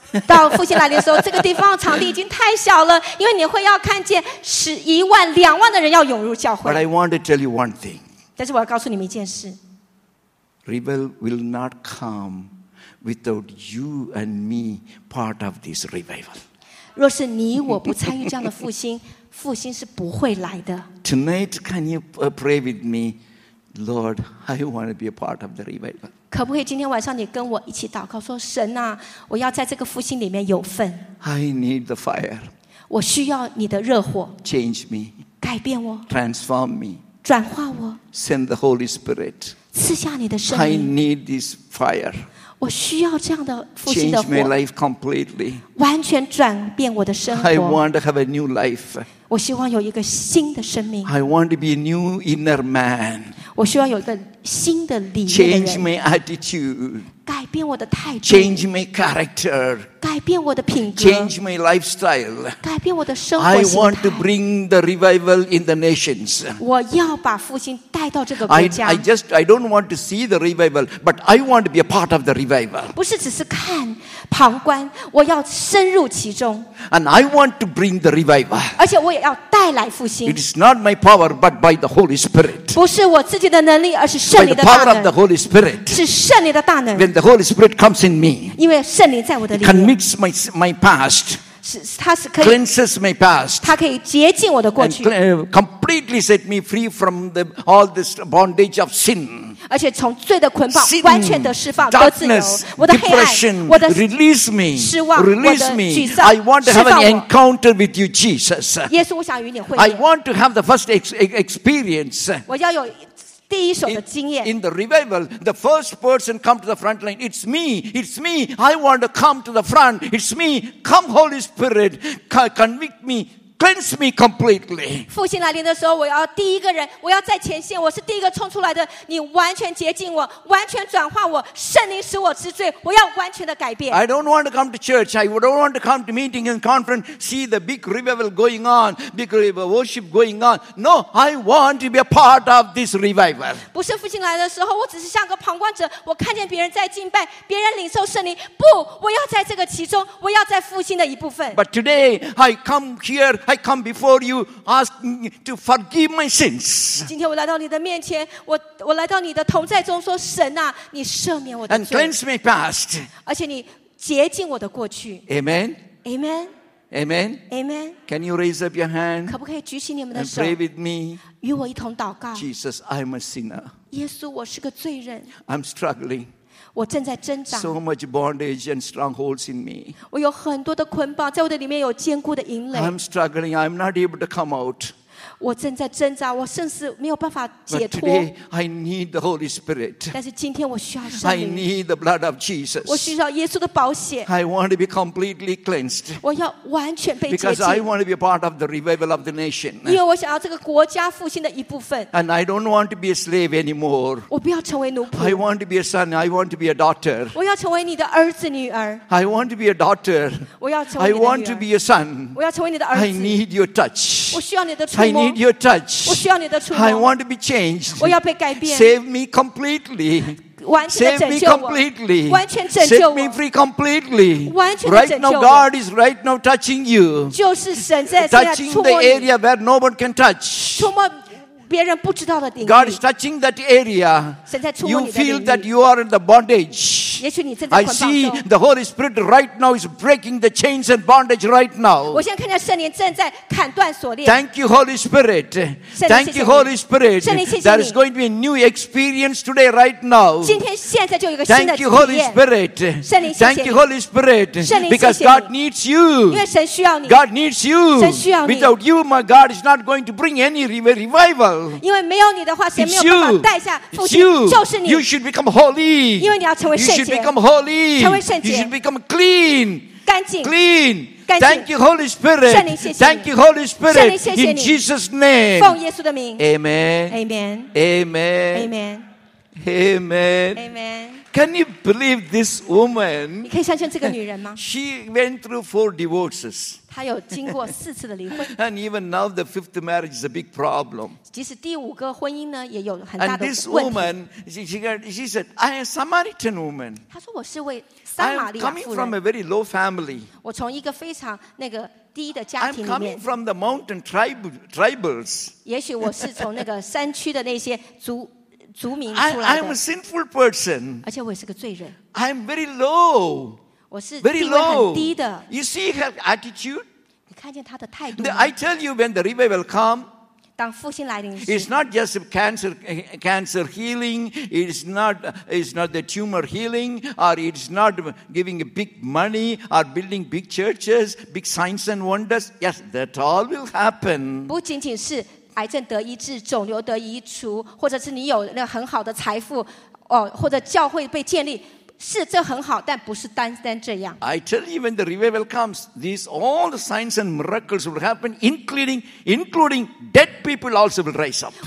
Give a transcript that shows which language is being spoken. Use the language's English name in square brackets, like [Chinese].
[Chinese] 当复兴来临的时候，这个地方场地已经太小了，因为你会要看见十一万、两万的人要涌入教会。 [English] But I want to tell you one thing. [Chinese] 但是我要告诉你们一件事。 [English] Revival will not come without you and me part of this revival. [Chinese] 若是你我不参与这样的复兴，复兴是不会来的。 [English] Tonight, can you pray with me, Lord? I want to be a part of the revival. [Chinese] 可不可以今天晚上你跟我一起祷告，说神啊，我要在这个复兴里面有份。 [English] I need the fire. [Chinese] 我需要你的热火。 [English] Change me. [Chinese] 改变我。 [English] Transform me. [Chinese] 转化我。 [English] Send the Holy Spirit. [Chinese] 赐下你的生命。 [English] I need this fire. [Chinese] 我需要这样的复兴的火。 [English] Change my life completely. [Chinese] 完全转变我的生活。 [English] I want to have a new life. [Chinese] 我希望有一个新的生命。 [English] I want to be a new inner man. [Chinese] 我需要有一个新的里面的人。 [English] Change my attitude. [Chinese] 改变我的态度。 [English] Change my character. [Chinese] 改变我的品格。 [English] Change my lifestyle. [Chinese] 改变我的生活心态。 [English] I want to bring the revival in the nations. [Chinese] 我要把复兴。 [English] I don't want to see the revival, but I want to be a part of the revival. [Chinese] 不是只是看旁观，我要深入其中。 [English] And I want to bring the revival. [Chinese] 而且我也要带来复兴。 [English] It is not my power, but by the Holy Spirit. [Chinese] 不是我自己的能力，而是圣灵的大能。 [English] By the power of the Holy Spirit. [Chinese] 是圣灵的大能。 [English] When the Holy Spirit comes in me. [Chinese] 因为圣灵在我的里面。 [English] It can mix my past. Cleanses my past. [Chinese] 它可以洁净我的过去。 [English] Completely set me free from all this bondage of sin. [Chinese] 而且从罪的捆绑完全的释放，得自由。我的黑暗，我的 [English] release me, [Chinese] 失望， [English] release me, [Chinese] 我的沮丧。 [English] I want to have an encounter with you, Jesus. [Chinese] 耶稣，我想与你会面。 [English] I want to have the first experience. [Chinese] 我要有第一手的经验。 [English] In the revival, the first person come to the front line. It's me. It's me. I want to come to the front. It's me. Come, Holy Spirit, convict me, cleanse me completely. [Chinese] 复兴来临的时候，我要第一个人，我要在前线，我是第一个冲出来的。你完全洁净我，完全转化我，圣灵使我知罪，我要完全的改变。 [English] I don't want to come to church. I don't want to come to meeting and conference. See the big revival going on, big revival worship going on. No, I want to be a part of this revival. [Chinese] 不是复兴来的时候，我只是像个旁观者，我看见别人在敬拜，别人领受圣灵。不，我要在这个其中，我要在复兴的一部分。 [English] But today I come here. I come before you asking to forgive my sins. [Chinese] 今天我来到你的面前，我来到你的同在中，说神啊，你赦免我的罪。 [English] And cleanse my past. [Chinese] 而且你洁净我的过去。 [English] Amen. Amen. Amen. Amen. Can you raise up your hand? [Chinese] 可不可以举起你们的手 [English] ？And pray with me. [Chinese] 与我一同祷告。 [English] Jesus, I'm a sinner. [Chinese] 耶稣，我是个罪人。 [English] I'm struggling. [Chinese] 我正在挣扎。 [English] So much bondage and strongholds in me. [Chinese] 我有很多的捆绑，在我的里面有坚固的营垒。 [English] I'm struggling. I'm not able to come out. [Chinese] 我正在挣扎，我甚至没有办法解脱。 [English] But today I need the Holy Spirit. [Chinese] 但是今天我需要圣灵。 [English] I need the blood of Jesus. [Chinese] 我需要耶稣的宝血。 [English] I want to be completely cleansed. [Chinese] 我要完全被洁净。 [English] Because I want to be a part of the revival of the nation. [Chinese] 因为我想要这个国家复兴的一部分。 [English] And I don't want to be a slave anymore. [Chinese] 我不要成为奴仆。 [English] I want to be a son. I want to be a daughter. [Chinese] 我要成为你的儿子女儿。 [English] I want to be a daughter. [Chinese] 我要成为你的女儿。 [English] I want to be a son. [Chinese] 我要成为你的儿子。 [English] I need your touch. [Chinese] 我需要你的触摸。 [English] I need your touch. [Chinese] 我需要你的触摸。 [English] I want to be changed. [Chinese] 我要被改变。 [English] Save me completely. [Chinese] 完全的拯救我。 [English] Save me completely. [Chinese] 完全拯救我。 [English] Save me free completely. [Chinese] 完全的拯救我。 [English] Right now, God is right now touching you. [Chinese] 就是神现在触摸你。 [English] Touching the area where no one can touch. [Chinese] 触摸别人不知道的领域。 [English] God is touching that area. [Chinese] 神在触摸你的领域。 [English] You feel that you are in the bondage. [Chinese] 也许你正在捆绑中。 [English] I see the Holy Spirit right now is breaking the chains and bondage right now. [Chinese] 我现在看见圣灵正在砍断锁链。 [English] Thank you, Holy Spirit. [Chinese] 圣灵谢谢你。 [English] Thank you, Holy Spirit. [Chinese] 圣灵谢谢你。 [English] There is going to be a new experience today, right now. [Chinese] 今天现在就有一个新的体验。 [English] Thank you, Holy Spirit. [Chinese] 圣灵谢谢你。 [English] Thank you, Holy Spirit. [Chinese] 圣灵谢谢你。 [English] Because God needs you. [Chinese] 因为神需要你。 [English] God needs you. [Chinese] 神需要你。 [English] Without you, my God is not going to bring any revival. [Chinese] 因为没有你的话，神没有办法带下复兴。 [English] It's you. [Chinese] 就是你。 [English] You should become holy. [Chinese] 因为你要成为圣洁。 [English] You should become holy. You should become clean. [Chinese] 干净 [English] clean. [Chinese] 干净 [English] Thank you, Holy Spirit. [Chinese] 圣灵谢谢你 [English] Thank you, Holy Spirit. [Chinese] 圣灵谢谢你 [English] In Jesus' name. [Chinese] 奉耶稣的名 [English] Amen. Amen. Amen. Amen. Amen. Amen. Can you believe this woman? [Chinese] 你可以相信这个女人吗 [English] She went through 4 divorces. [Chinese] 她有经过四次的离婚 [English] And even now the 5th marriage is a big problem. [Chinese] 即使第五个婚姻呢，也有很大的问题。 [English] And this woman, she said, I am a Samaritan woman. [Chinese] 她说我是位撒玛利亚夫人。 [English] I'm coming from a very low family. [Chinese] 我从一个非常那个低的家庭里面。 [English] I'm coming from the mountain tribals. [Chinese] 也许我是从那个山区的那些族。 [English] I'm a sinful person. [Chinese] 而且我也是个罪人。 [English] I'm very low. [Chinese] 我是地位很低的。 [English] You see her attitude? [Chinese] 你看见她的态度。 [English] I tell you, when the revival come, [Chinese] 当复兴来临时 [English] it's not just cancer healing. It's not the tumor healing, or it's not giving big money, or building big churches, big signs and wonders. Yes, that all will happen. [Chinese] 不仅仅是癌症得医治，肿瘤得移除，或者是你有那很好的财富，哦，或者教会被建立，是这很好，但不是单单这样。 [English] I tell you, when the revival comes, these all the signs and miracles will happen, including dead people also will rise up.